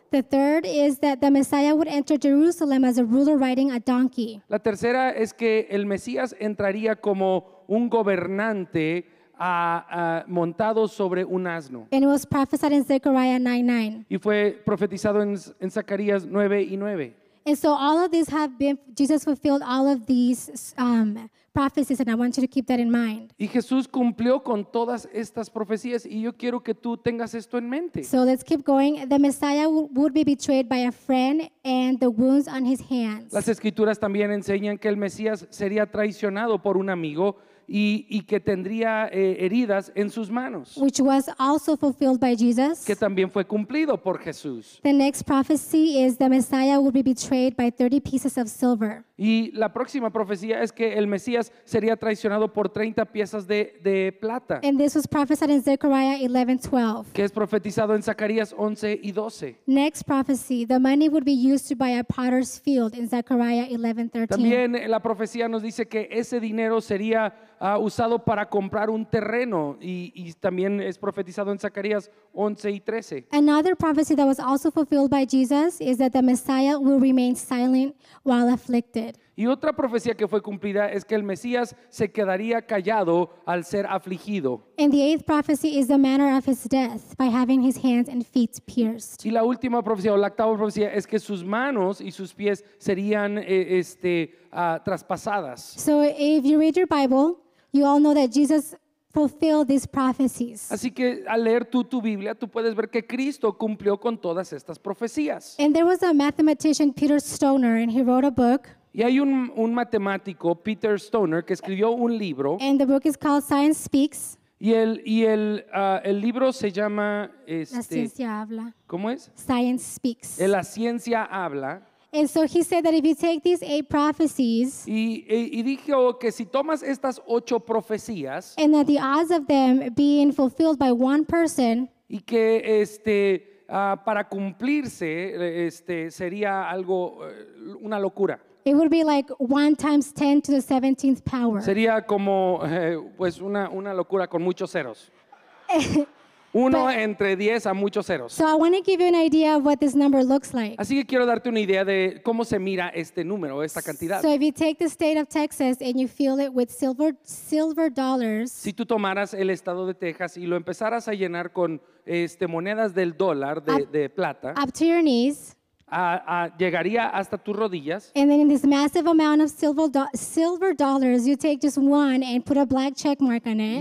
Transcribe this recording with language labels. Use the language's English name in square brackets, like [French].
[English] The third is that the Messiah would enter Jerusalem as a ruler riding a donkey. [Spanish] La tercera es que el Mesías entraría como un gobernante montado sobre un asno. [English] And it was prophesied in Zechariah 9:9. [Spanish] Y fue profetizado en Zacarías 9:9. [English] And so all of these have been, Jesus fulfilled all of these prophecies, and I want you to keep that in mind. [Spanish] Y Jesús cumplió con todas estas profecías, y yo quiero que tú tengas esto en mente. [English] So let's keep going. The Messiah would be betrayed by a friend and the wounds on his hands. [Spanish] Las escrituras también enseñan que el Mesías sería traicionado por un amigo y que tendría heridas en sus manos. [English] Which was also fulfilled by Jesus. [Spanish] Que también fue cumplido por Jesús. [English] The next prophecy is the Messiah would be betrayed by 30 pieces of silver. [Spanish] Y la próxima profecía es que el Mesías sería traicionado por 30 piezas de plata. [English] And this was prophesied in Zechariah 11:12. [Spanish] Que es profetizado en Zacarías 11:12. [English] Next prophecy, the money would be used to buy a potter's field in Zechariah 11:13. [Spanish] También la profecía nos dice que ese dinero sería usado para comprar un terreno y también es profetizado en Zacarías 11:13. [English] Another prophecy that was also fulfilled by Jesus is that the Messiah will remain silent while afflicted. [Spanish] Y otra profecía que fue cumplida es que el Mesías se quedaría callado al ser afligido. [English] And the eighth prophecy is the manner of his death by having his hands and feet pierced. [Spanish] Y la última profecía o la octava profecía es que sus manos y sus pies serían traspasadas. [English] So if you read your Bible, you all know that Jesus fulfilled these prophecies. [Spanish] Así que al leer tu Biblia, tú puedes ver que Cristo cumplió con todas estas profecías. [English] And there was a mathematician, Peter Stoner, and he wrote a book. [Spanish] Y hay un matemático, Peter Stoner, que escribió un libro. [English] And the book is called Science Speaks. [Spanish] Y el libro se llama La Ciencia Habla. ¿Cómo es? [English] Science Speaks. [Spanish] La Ciencia Habla. [English] And so he said that if you take these 8 prophecies, [Spanish] y dijo que si tomas estas 8 profecías, [English] and that the odds of them being fulfilled by one person, [Spanish] y que para cumplirse sería algo una locura. [English] It would be like 1 times 10 to the 17th power. [Spanish] Sería como una locura con muchos ceros. Uno but, entre 10 a muchos ceros. [English] So I want to give you an idea of what this number looks like. [Spanish] Así que quiero darte una idea de cómo se mira este número, esta cantidad. [English] So if you take the state of Texas and you fill it with silver dollars. [Spanish] Si tú tomaras el estado de Texas y lo empezaras a llenar con monedas del dólar de plata. [English] Up to your knees. [Spanish] Llegaría hasta tus rodillas. [English] And then in this massive amount of silver dollars, you take just one and put a black check mark on it.